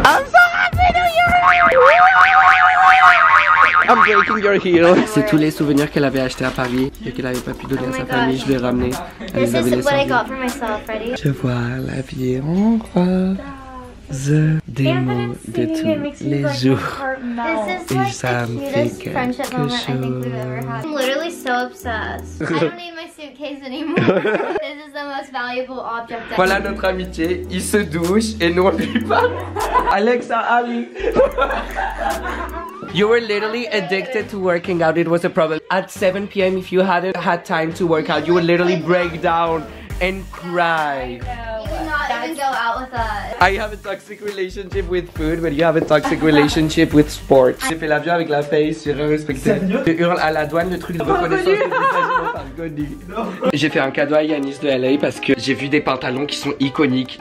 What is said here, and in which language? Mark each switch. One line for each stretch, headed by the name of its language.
English: I'm so happy to hear I'm breaking your heel.
French: C'est tous les souvenirs qu'elle avait achetés à Paris et qu'elle avait pas pu donner à sa famille, je l'ai ramené.
English: This is what I got for myself, ready?
French: Je vois la vie en rose. Des mots de tous les jours.
English: This is like the cutest friendship moment I think we've ever had. I'm literally so obsessed. I don't need my suitcase anymore. This is the most valuable object I've
French: Voilà notre amitié. Il se douche et nous on lui parle. Alexa, Ali.
English: You were literally addicted to working out. It was a problem. At 7 p.m., if you hadn't had time to work out, you would literally break down and cry. You would not even go go out with us. I have a toxic relationship with food, but you have a toxic relationship with sports.
French: J'ai fait l'avion avec la face, j'ai respecté. Je hurle à la douane le truc de reconnaissance. J'ai fait un cadeau à Yanis de LA parce que j'ai vu des pantalons qui sont iconiques.